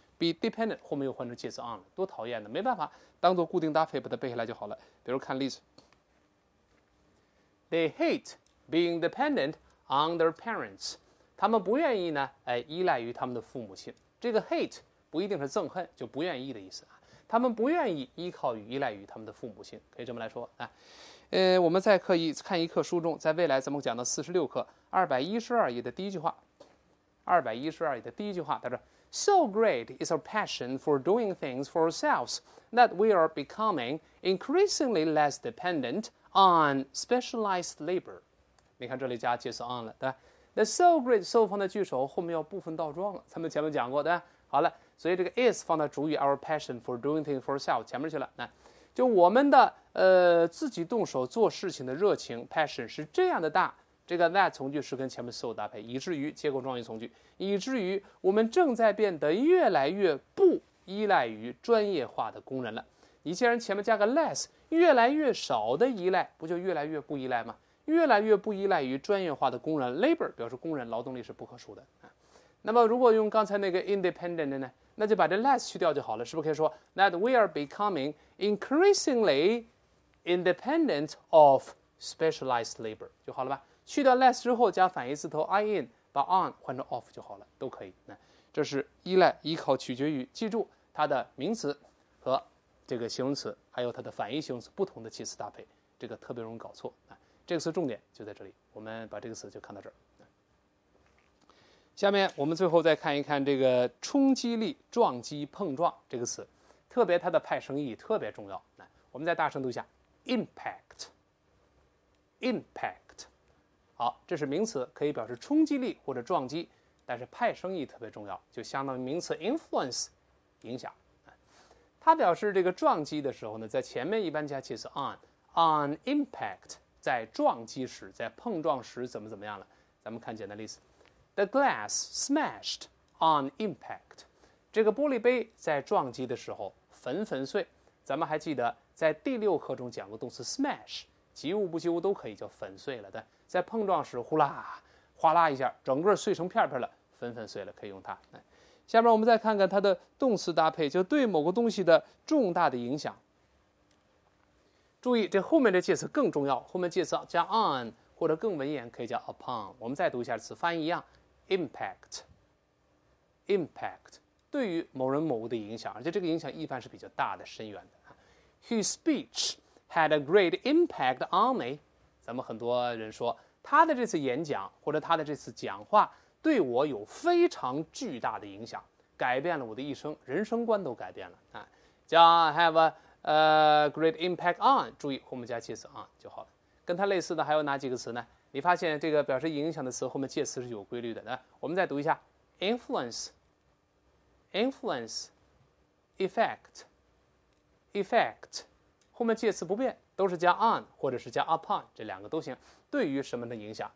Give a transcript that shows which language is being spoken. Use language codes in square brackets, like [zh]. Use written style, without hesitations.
[zh] be dependent 后面又换成介词 on， 多讨厌的，没办法，当做固定搭配把它背下来就好了。比如看例子 ， they hate。 Being dependent on their parents，他们不愿意呢，依赖于他们的父母亲。这个 hate 不一定是憎恨，就不愿意的意思啊。他们不愿意依靠于、依赖于他们的父母亲，可以这么来说啊。 [en] 我们在看一课书中，在未来咱们讲到46课212页的第一句话，他说，So great is our passion for doing things for ourselves that we are becoming increasingly less dependent on specialized labor。 [zh] 你看这里加介词 on 了，对吧？那 so great， so 放在句首，后面要部分倒装了。咱们前面讲过，对吧？好了，所以这个 is 放在主语 our passion for doing things for ourselves 前面去了。那就我们的自己动手做事情的热情 passion 是这样的大。这个 that 从句是跟前面 so 搭配，以至于结构状语从句，以至于我们正在变得越来越不依赖于专业化的工人了。你既然前面加个 less， 越来越少的依赖，不就越来越不依赖吗？越来越不依赖于专业化的工人 ，labor 表示工人，劳动力是不可数的。那么如果用刚才那个 independent 的呢，那就把这 less 去掉就好了，是不是可以说 that we are becoming increasingly [en] independent of specialized labor 就好了吧。 [zh] 去掉 less 之后加反义词头 in， 把 on 换成 off 就好了，都可以。那这是依赖、依靠、取决于，记住它的名词和这个形容词，还有它的反义形容词不同的介词搭配，这个特别容易搞错。这个词重点就在这里，我们把这个词就看到这儿。下面我们最后再看一看这个冲击力、撞击、碰撞这个词，特别它的派生意特别重要。来，我们再大声读一下 impact， impact。好，这是名词，可以表示冲击力或者撞击，但是派生意特别重要，就相当于名词 influence， 影响。它表示这个撞击的时候呢，在前面一般加介词 on impact， 在撞击时，在碰撞时怎么怎么样了？咱们看简单例子。 [en] The glass smashed on impact. [zh] 这个玻璃杯在撞击的时候粉粉碎。咱们还记得在第六课中讲过动词 smash， 及物不及物都可以叫粉碎了的。在碰撞时呼啦哗啦一下整个碎成片片了，粉粉碎了可以用它。下面我们再看看它的动词搭配，就对某个东西的重大的影响。注意这后面的介词更重要，后面介词加 on，或者更文言可以叫 upon， 我们再读一下词，发音一样 impact 对于某人某物的影响，而且这个影响一般是比较大的深远的。 His speech had a great impact on me，咱们很多人说他的这次演讲或者他的这次讲话对我有非常巨大的影响，改变了我的一生，人生观都改变了。加 have a great impact on， 注意后面加介词 on 就好了。跟它类似的还有哪几个词呢？你发现这个表示影响的词后面介词是有规律的。那我们再读一下 influence, effect 后面介词不变，都是加 on 或者是加 upon， 这两个都行，对于什么的影响。